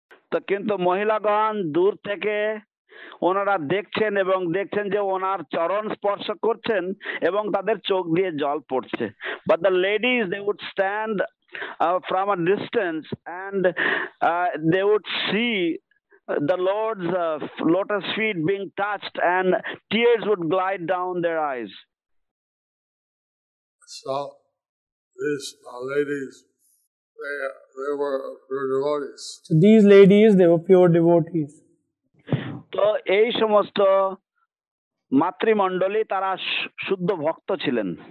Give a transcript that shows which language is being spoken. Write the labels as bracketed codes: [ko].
[bn] তো কিন্তু মহিলাগণ দূর থেকে ওনারা দেখছেন এবং দেখছেন যে ওনার চরণ স্পর্শ করছেন এবং তাদের চোখ দিয়ে জল পড়ছে। [en] But the ladies, they would stand from a distance and they would see the Lord's lotus feet being touched and tears would glide down their eyes. So these ladies, they were pure devotees. So these ladies, they were pure devotees. [bn] তো এই সমস্ত মাতৃমণ্ডলী তারা শুদ্ধ ভক্ত ছিলেন।